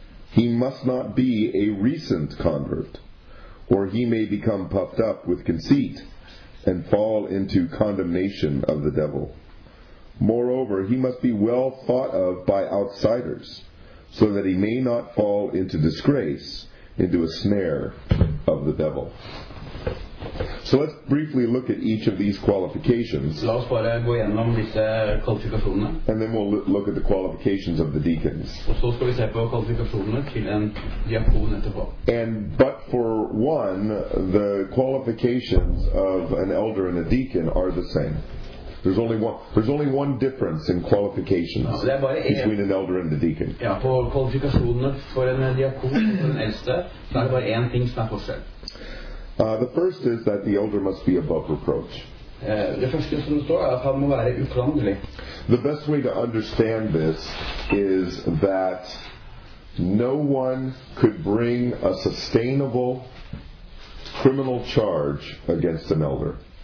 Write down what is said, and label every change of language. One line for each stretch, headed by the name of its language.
English: He must not be a recent convert, or he may become puffed up with conceit and fall into condemnation of the devil. Moreover, he must be well thought of by outsiders, so that he may not fall into disgrace, into a snare of the devil. So let's briefly look at each of these qualifications.
Norwegian: La oss bare gå gjennom disse kvalifikasjonene.
English: And then we'll look at the qualifications of the deacons.
Norwegian: Og så skal vi se på kvalifikasjonene til en diakon etterpå.
English: And but for one, the qualifications of an elder and a deacon are the same. There's only one difference in qualifications between an elder and a deacon.
Norwegian: Ja, på kvalifikasjonene for en diakon og en eldste, så det bare én ting som forskjell.
English: The first is that the elder must be above reproach.
Norwegian: Det første som står han må være uklandelig.
English: The best way to understand this is that no one could bring a sustainable criminal charge against an elder.